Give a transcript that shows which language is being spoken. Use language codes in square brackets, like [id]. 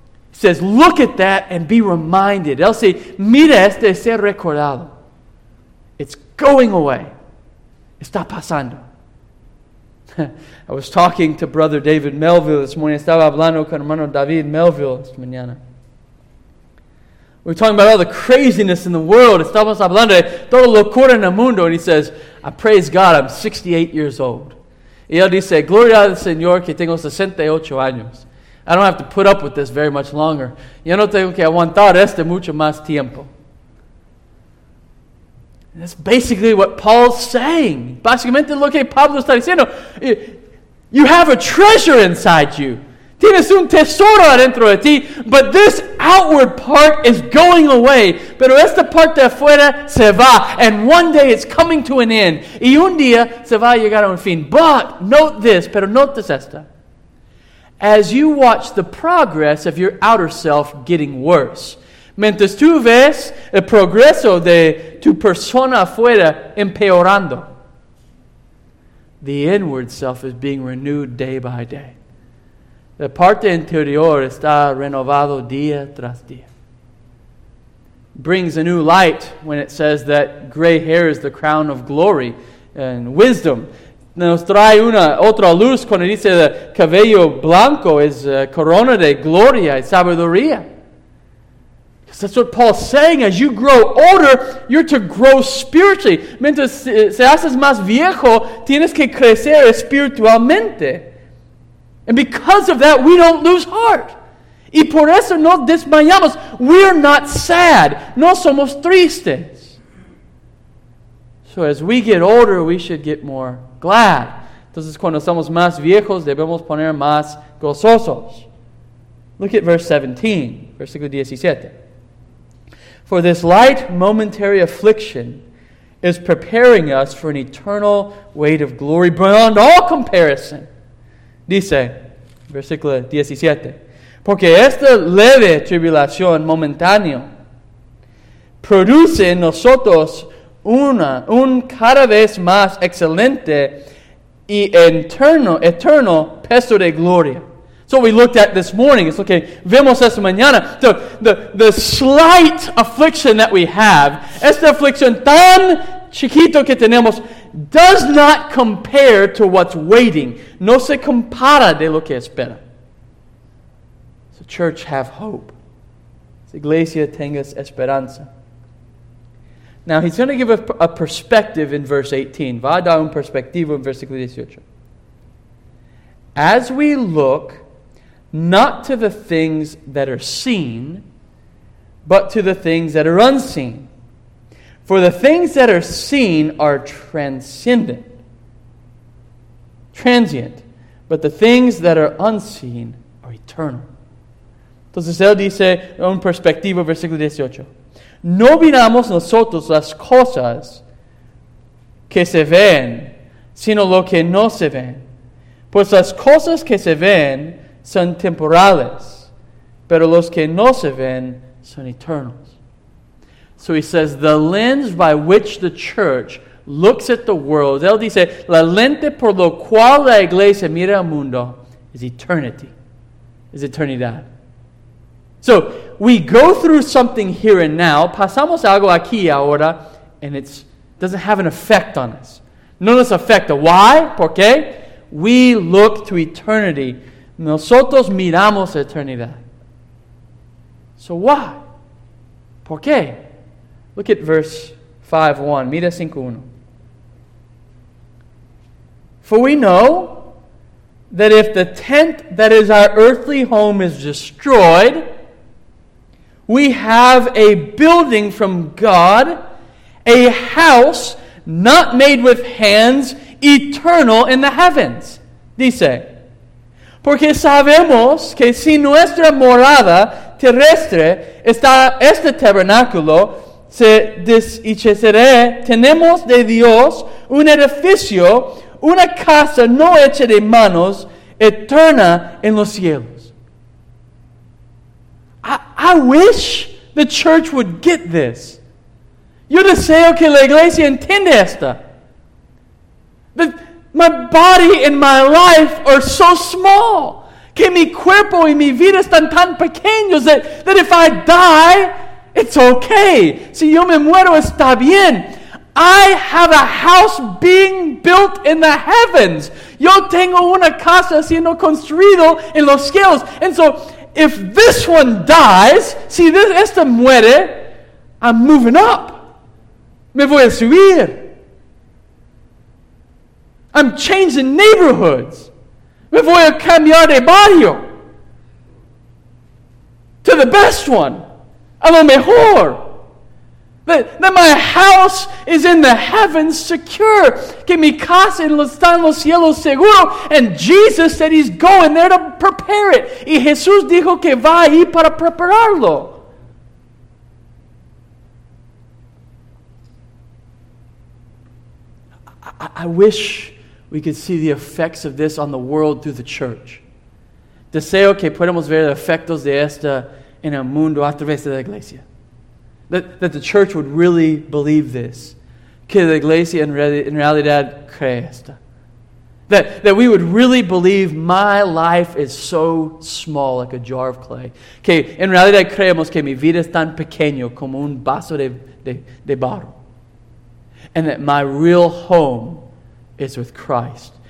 [en] He says, look at that and be reminded. [es] Él dice, mira este ser recordado. [en] It's going away. [es] Está pasando. [en] I was talking to Brother David Melville this morning. [es] Estaba hablando con hermano David Melville esta mañana. [en] We're talking about all the craziness in the world. [es] Estamos hablando de toda locura en el mundo. [en] And he says, I praise God, I'm 68 years old. [es] Y él dice, Gloria al Señor que tengo 68 años. [en] I don't have to put up with this very much longer. [es] Yo no tengo que aguantar este mucho más tiempo. [en] And that's basically what Paul's saying. [es] Básicamente lo que Pablo está diciendo. [en] You have a treasure inside you. [es] Tienes un tesoro adentro de ti, [en] but this outward part is going away. [es] Pero esta parte de afuera se va, [en] and one day it's coming to an end. [es] Y un día se va a llegar a un fin. [en] But note this, [es] pero notes esta. [en] As you watch the progress of your outer self getting worse, [es] mientras tú ves el progreso de tu persona afuera empeorando, [en] the inward self is being renewed day by day. [es] La parte interior está renovado día tras día. [en] Brings a new light when it says that gray hair is the crown of glory and wisdom. [es] Nos trae una otra luz cuando dice que cabello blanco es corona de gloria y sabiduría. [en] Because that's what Paul's saying. As you grow older, you're to grow spiritually. [es] Mientras se haces más viejo, tienes que crecer espiritualmente. [en] And because of that, we don't lose heart. [es] Y por eso no desmayamos. [en] We're not sad. [es] No somos tristes. [en] So as we get older, we should get more glad. [es] Entonces cuando somos más viejos, debemos poner más gozosos. [en] Look at verse 17. [es] Versículo 17. [en] For this light momentary affliction is preparing us for an eternal weight of glory beyond all comparison. [es] Dice, versículo 17, porque esta leve tribulación momentánea produce en nosotros un cada vez más excelente y eterno peso de gloria. [en] So we looked at this morning. It's okay. [es] Vemos esta mañana. [en] So the slight affliction that we have, [es] esta affliction tan chiquito que tenemos [en] does not compare to what's waiting. [es] No se compara de lo que espera. [en] So church, have hope. [es] So iglesia, tengas esperanza. [en] Now he's going to give a perspective in verse 18. [es] Va a dar un perspectivo en versículo 18. [en] As we look not to the things that are seen, but to the things that are unseen. For the things that are seen are transcendent, transient, but the things that are unseen are eternal. [es] Entonces él dice un perspectivo, versículo 18. No miramos nosotros las cosas que se ven, sino lo que no se ven. Pues las cosas que se ven son temporales, pero los que no se ven son eternos. [en] So he says, the lens by which the church looks at the world, [es] él dice, la lente por lo cual la iglesia mira al mundo [en] is eternity, is eternidad. So we go through something here and now, [es] pasamos algo aquí ahora, [en] and it doesn't have an effect on us. [es] No nos afecta. [en] Why? [es] ¿Por qué? [en] We look to eternity. [es] Nosotros miramos eternidad. [en] So why? [es] ¿Por qué? [en] Look at verse 5:1. [es] Mira 5:1. [en] For we know that if the tent that is our earthly home is destroyed, we have a building from God, a house not made with hands, eternal in the heavens. [es] Dice, porque sabemos que si nuestra morada terrestre está este tabernáculo, se deshiciere, tenemos de Dios un edificio, una casa no hecha de manos, eterna en los cielos. [en] I wish the church would get this. [es] Yo deseo que la iglesia entienda esta. [en] That my body and my life are so small. [es] Que mi cuerpo y mi vida están tan pequeños [en] that if I die, it's okay. [es] Si yo me muero, está bien. [en] I have a house being built in the heavens. [es] Yo tengo una casa siendo construido en los cielos. [en] And so, if this one dies, [es] si este muere, [en] I'm moving up. [es] Me voy a subir. [en] I'm changing neighborhoods. [es] Me voy a cambiar de barrio. [en] To the best one. [es] A lo mejor. [en] That my house is in the heavens secure. [es] Que mi casa está en los cielos seguro. [en] And Jesus said he's going there to prepare it. [es] Y Jesús dijo que va ahí para prepararlo. [en] I wish we could see the effects of this on the world through the church. [es] Deseo que podamos ver los efectos de esta en el mundo a través de la iglesia. [en] That the church would really believe this. [es] Que la iglesia en realidad cree esta. [en] That we would really believe my life is so small like a jar of clay. [es] Que en realidad creemos que mi vida es tan pequeño como un vaso de barro. [en] And that my real home is with Christ.